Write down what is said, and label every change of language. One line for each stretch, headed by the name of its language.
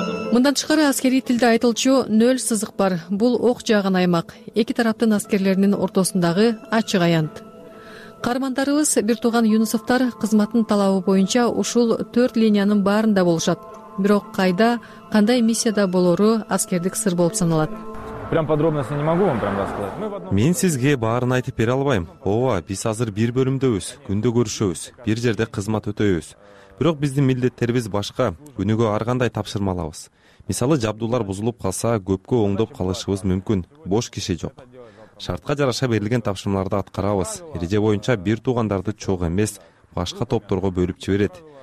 Kyrgyz: Мындан тышкары аскерий тилде айтылчу 0 сызык бар. Бул ок жааган аймак. Эки тараптын аскерлеринин ортосундагы ачык аянт. Каармандарыбыз бир тууган Юнусовтар кызматтын талабы боюнча ушул 4 линиянын баарында болушат. Бирок кайда, кандай миссияда болору аскердик сыр болуп саналат.
Russian: Прям подробности не могу вам прям рассказать.
Kyrgyz: Мен сизге баарын айтып бере албайм. Ооба, биз азыр бир бөлүмдөбүз, күндө көрүшөбүз, бир жерде кызмат өтөбүз. Бирок биздин милдеттерибиз башка, күнүгө ар кандай тапшырма алабыз. Мисалы, жабдуулар бузулуп калса, көпкө оңдоп калышыбыз мүмкүн. Бош киши жок. Шартка жараша берилген тапшырмаларды аткарабыз. Эреже боюнча бир туугандарды чогуу эмес, башка топторго бөлүп жиберет.